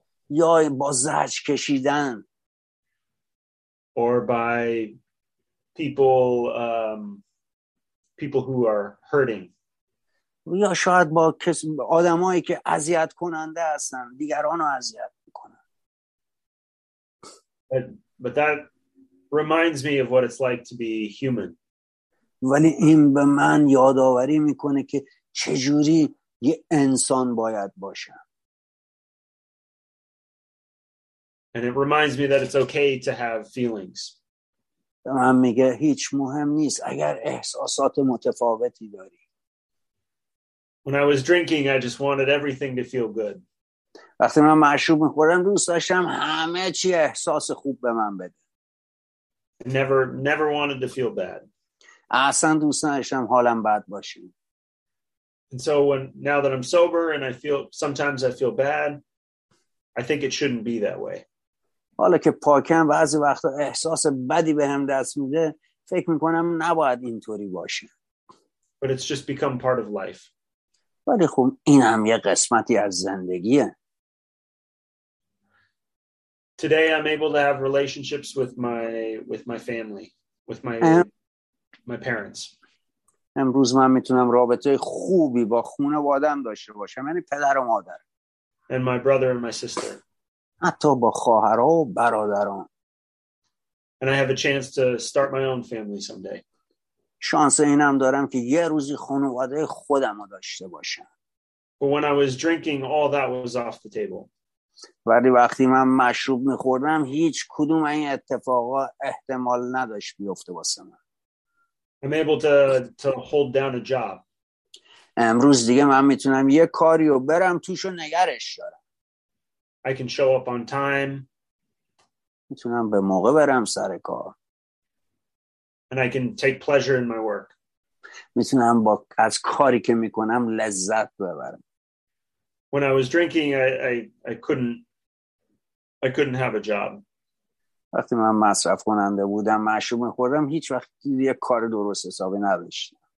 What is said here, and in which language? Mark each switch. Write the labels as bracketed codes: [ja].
[fa] یا با زجر کشیدن [en] or by people who are hurting. [fa] یا شاید با آدمایی که اذیت کننده هستن، دیگرانو اذیت میکنن. [en] But that reminds me of what it's like to be human. [fa] ولی این به من یادآوری میکنه که چجوری یه انسان باید باشم. [en] And it reminds me that it's okay to have feelings. [fa] من میگه هیچ مهم نیست اگر احساسات متفاوتی داری. [en] When I was drinking, I just wanted everything to feel good. [fa] وقتی من مشروب می‌خوردم دوست داشتم همه چی احساس خوب به من بده. [en] Never wanted to feel bad. [fa] اصلا دوست نداشتم حالم بد باشه. [en] And so when now that I'm sober and I feel sometimes I feel bad, I think it shouldn't be that way. [fa] حالا که پاکم بعضی وقتا احساس بدی بهم دست میده، فکر می‌کنم نباید اینطوری باشه. [en] But it's just become part of life. [fa] ولی خب این هم یه قسمتی از زندگیه. [en] Today I'm able to have relationships with my family, with my parents. [fa] امروز من میتونم رابطه خوبی با خانواده‌ام داشته باشم، یعنی پدر و مادر. [en] And my brother and my sister. [fa] حتی با خواهرها و برادران. [en] And I have a chance to start my own family someday. [fa] شانس اینم دارم که یه روزی خانواده خودم رو داشته باشم. [en] But when I was drinking, all that was off the table. [fa] ولی وقتی من مشروب می‌خوردم هیچ کدوم این اتفاقا احتمال نداشت بیفته واسه من. [en] I'm able to hold down a job. [fa] امروز دیگه من میتونم یه کاری رو برم توش و نگرش دارم. [en] I can show up on time. [fa] میتونم به موقع برم سر کار. [en] And I can take pleasure in my work. [fa] میتونم با از کاری که میکنم لذت ببرم. [en] When I was drinking, I couldn't have a job. [fa] وقتی من مصرف کننده بودم، مشروب می‌خوردم، هیچ وقت یه کار درست حسابی نداشتم.